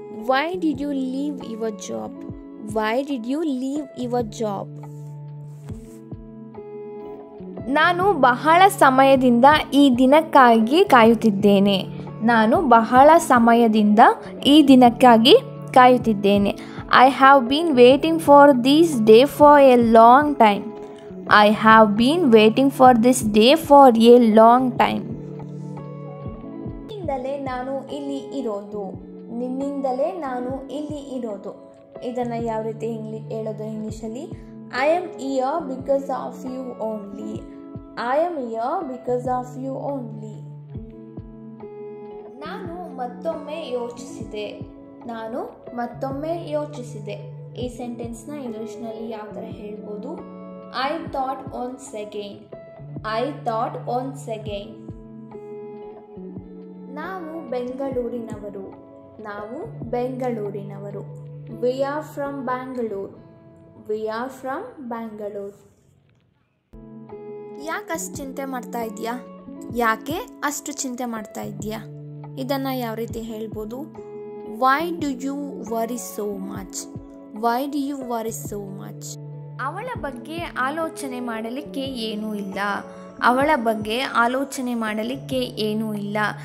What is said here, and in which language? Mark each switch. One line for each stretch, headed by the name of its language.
English: Why did you leave your job, Why did you leave your job?
Kannada: ನಾನು ಬಹಳ ಸಮಯದಿಂದ ಈ ದಿನಕ್ಕಾಗಿ ಕಾಯುತ್ತಿದ್ದೇನೆ, ನಾನು ಬಹಳ ಸಮಯದಿಂದ ಈ ದಿನಕ್ಕಾಗಿ ಕಾಯುತ್ತಿದ್ದೇನೆ.
English: I have been waiting for this day for a long time. I have been waiting for this day for a long time.
Kannada: ನಿನ್ನಿಂದಲೇ ನಾನು ಇಲ್ಲಿ ಇರೋದು, ನಿನ್ನಿಂದಲೇ ನಾನು ಇಲ್ಲಿ ಇರೋದು. ಇದನ್ನು ಯಾವ ರೀತಿ ಹೇಳೋದು ಇಂಗ್ಲೀಷಲ್ಲಿ?
English: I am here because of you only, I am here because of you only.
Kannada: ನಾನು ಮತ್ತೊಮ್ಮೆ ಯೋಚಿಸಿದೆ, ನಾನು ಮತ್ತೊಮ್ಮೆ ಯೋಚಿಸಿದೆ. ಈ ಸೆಂಟೆನ್ಸ್ನ ಇಂಗ್ಲೀಷ್ನಲ್ಲಿ ಯಾವ ಥರ ಹೇಳ್ಬೋದು?
English: I thought once again, I thought once again.
Kannada: ನಾವು ಬೆಂಗಳೂರಿನವರು, ನಾವು ಬೆಂಗಳೂರಿನವರು.
English: We are from Bangalore, we are from Bangalore.
Kannada: ಯಾಕೆ ಅಷ್ಟು ಚಿಂತೆ ಮಾಡ್ತಾ ಇದೆಯಾ, ಯಾಕೆ ಅಷ್ಟು ಚಿಂತೆ ಮಾಡ್ತಾ ಇದೆಯಾ? ಇದನ್ನು ಯಾವ ರೀತಿ ಹೇಳ್ಬೋದು?
English: Why do you worry so much, why do you worry so much.
Kannada: ಅವಳ ಬಗ್ಗೆ ಆಲೋಚನೆ ಮಾಡಲಿಕ್ಕೆ ಏನೂ ಇಲ್ಲ, ಅವಳ ಬಗ್ಗೆ ಆಲೋಚನೆ ಮಾಡಲಿಕ್ಕೆ ಏನೂ ಇಲ್ಲ.